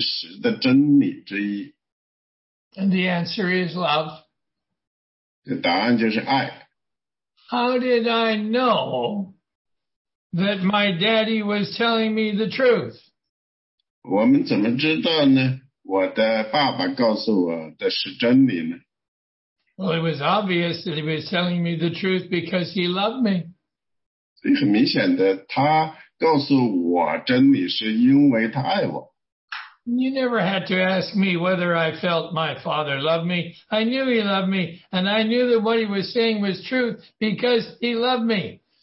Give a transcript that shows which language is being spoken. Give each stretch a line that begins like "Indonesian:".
Chinese: 这些呢是其中很多的被证实的真理之一。
English: And the answer is love.
Chinese: 答案就是爱。
English: How did I know that my daddy was telling me the truth?
Chinese: 我们怎么知道呢? 我的爸爸告诉我的是真理呢?
English: Well, it was obvious that he was telling me the truth because he loved me.
Chinese: 所以很明显的,他告诉我真理是因为他爱我。
English: You never had to ask me whether I felt my father loved me. I knew he loved me, and I knew that what he was saying was truth because he loved me.